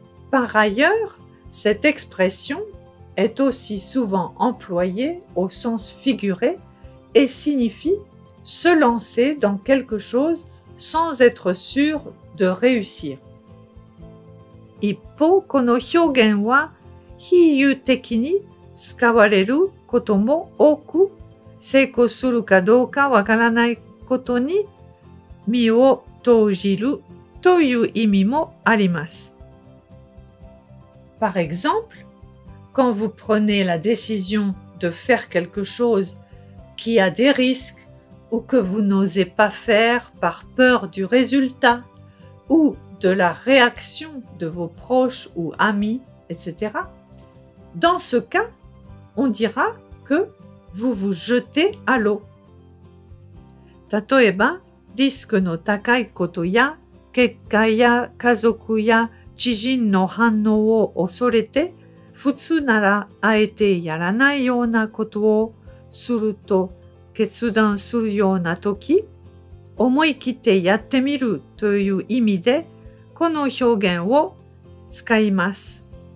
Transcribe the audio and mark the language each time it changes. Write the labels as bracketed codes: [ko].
[fr] Par ailleurs, cette expression est aussi souvent employée au sens figuré et signifie se lancer dans quelque chose sans être sûr de réussir. [ja] 一方、この表現は比喩的に使われることも多く、成功するかどうかわからないことに身を投じるという意味もあります。 [fr] Par exemple, quand vous prenez la décision de faire quelque chose qui a des risques ou que vous n'osez pas faire par peur du résultat ou de la réaction de vos proches ou amis, etc. Dans ce cas, on dira que vous vous jetez à l'eau. [ja] 例えば、リスクの高いことや、結果や家族や知人の反応を恐れて、普通ならあえてやらないようなことをすると決断するようなとき、思い切ってやってみるという意味で、この表現を使います。